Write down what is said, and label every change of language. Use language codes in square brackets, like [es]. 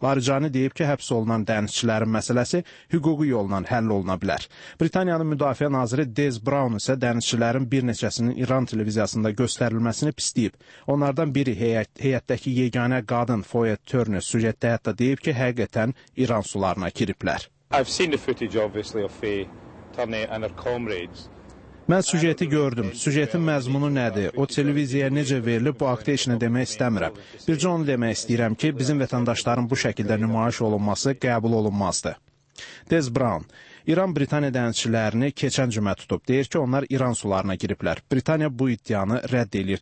[az] Laricani deyib ki, həbs olunan dənizçilərin məsələsi hüquqi yolla həll oluna bilər. Britaniyanın müdafiə naziri Des Brown isə dənizçilərin bir neçəsinin İran televiziyasında göstərilməsini pisləyib. Onlardan biri heyətdəki yeganə qadın Foya Turner sujetdə hətta deyib ki, həqiqətən İran sularına giriblər. [en] I've seen the footage obviously of Faye Turner and her comrades. [az] Mən sujeti gördüm. Sujetin məzmunu nədir? O televiziyaya necə verilib, bu haqda heç nə demək istəmirəm. Bircə onu demək istəyirəm ki, bizim vətəndaşların bu şəkildə nümayiş olunması qəbul olunmazdı. Des Brown İran Britaniya dənizçilərini keçən cümə tutub. Deyir ki, onlar İran sularına giriblər. Britaniya bu iddianı rədd edir.